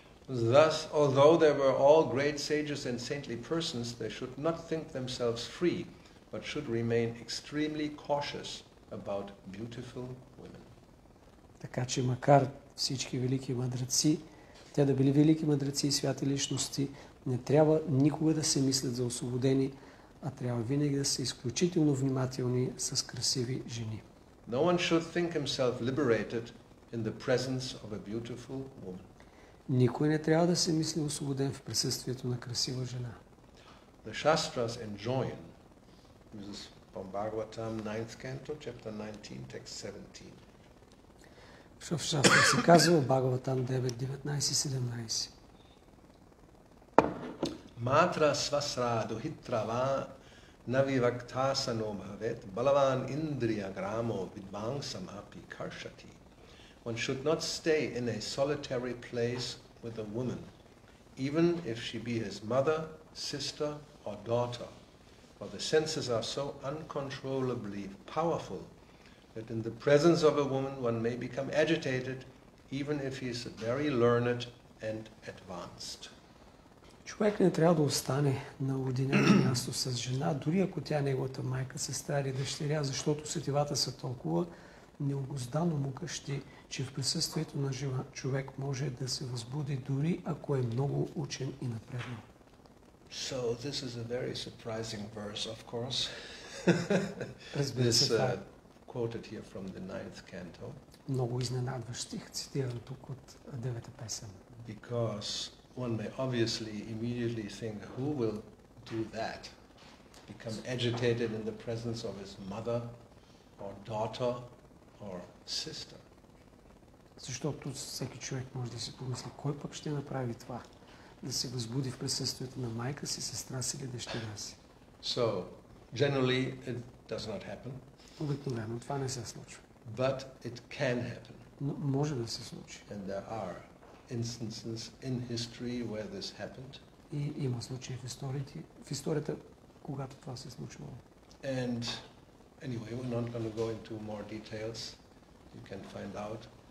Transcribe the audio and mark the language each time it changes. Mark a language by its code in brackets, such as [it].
[en] Thus, although they were all great sages and saintly persons, they should not think themselves free, but should remain extremely cautious about beautiful women. [bg] Така че макар всички велики мъдреци, те да били велики мъдреци и святи личности, не трябва никога да се мислят за освободени, а трябва винаги да са изключително внимателни с красиви жени. [en] No one should think himself liberated in the presence of a beautiful woman. [bg] Никой не трябва да се мисли освободен в присъствието на красива жена. [en] The Shastras enjoin, this is from Bhagavatam, 9th canto, chapter 19, text 17. [bg] Що в Shastras се казва Бхагаватам 9, 19 и 17. [sa] Матра свасра дохитра ва навивакта сано бхавет балаван индрия грамо видбангсам апи каршати. [en] One should not stay in a solitary place with a woman, even if she be his mother, sister, or daughter. For the senses are so uncontrollably powerful that in the presence of a woman one may become agitated, even if he is very learned and advanced. [bg] Човек не трябва да остане на уединено място с жена, дори ако тя е неговата майка, сестра или дъщеря, защото сетивата са толкова необуздано мукащи, че в присъствието на жива човек може да се възбуди дори ако е много учен и напреднал. [en] So this is a very surprising verse, of course. [bg] Разбира се, [en] quoted here from the ninth canto. [bg] Много изненадващ стих, цитиран тук от девета песен. [en] Because one may obviously immediately think, who will do that? Become agitated in the presence of his mother or daughter or sister. [bg] Защото всеки човек може да си помисли, кой пък ще направи това? Да се възбуди в присъствието на майка си, сестра си или дъщеря си. [en] So, generally it does not happen. [bg] Обикновено това не се случва. [en] But it can happen. [bg] Но може да се случи. [en] And there are instances in history where this happened. [bg] И има случаи в историята, когато това се случвало. [en] And anyway, we're not going to go into more details. You can find out.